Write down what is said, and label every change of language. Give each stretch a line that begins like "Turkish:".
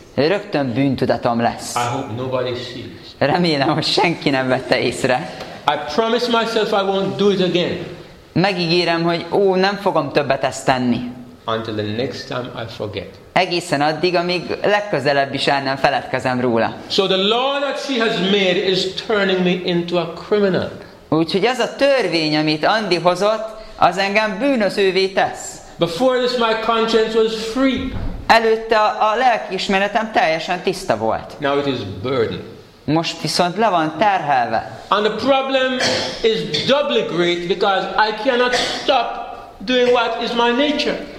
Hungarian: Rögtön bűntudatom lesz.
English: I hope nobody sees.
Hungarian: Remélem, hogy senki nem vette észre.
English: I promise myself I won't do it again.
Hungarian: Megígérem, hogy nem fogom többet ezt tenni.
English: Until the next time I forget.
Hungarian: Egészen addig, amíg legközelebb is el nem feledkezem róla.
English: So the law that she has made is turning me into a criminal.
Hungarian: Úgyhogy az a törvény, amit Andy hozott, az engem bűnözővé tesz.
English: Before this my conscience was free.
Hungarian: Előtte a lelkiismeretem teljesen tiszta volt.
English: Now it is burdened.
Hungarian: Most viszont le van terhelve.
English: And the problem is doubly great because I cannot stop doing what is my nature.